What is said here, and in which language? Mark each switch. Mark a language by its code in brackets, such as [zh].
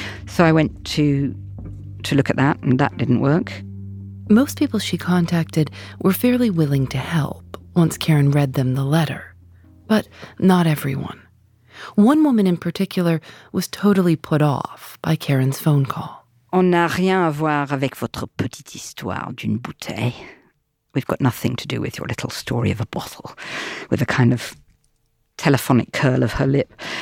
[en] So I went to look at that, and that didn't work. Most people she contacted were fairly willing to help once Karen read them the letter, but not everyone. One woman in particular was totally put off by Karen's phone call. [fr] On n'a rien à voir avec votre petite histoire d'une bouteille. [en] We've got nothing to do with your little story of a bottle, with a kind of telephonic curl of her lip.